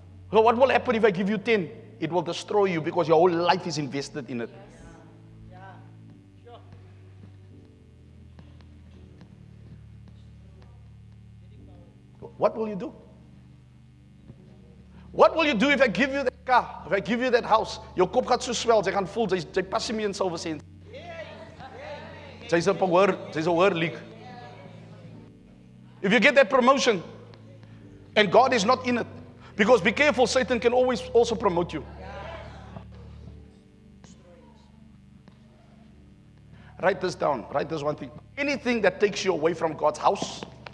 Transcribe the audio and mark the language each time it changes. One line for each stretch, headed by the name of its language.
English: So what will happen if I give you 10? It will destroy you because your whole life is invested in it. What will you do? What will you do if I give you that car? If I give you that house?
Afrikaans: Your kop gaat so swel, jy gaan voel, jy pas nie meer in silver sand. Jy's a hoër league.
English: If you get that promotion, and God is not in it, because be careful, Satan can always also promote you. Write this down. Write this one thing. Anything that takes you away from God's house.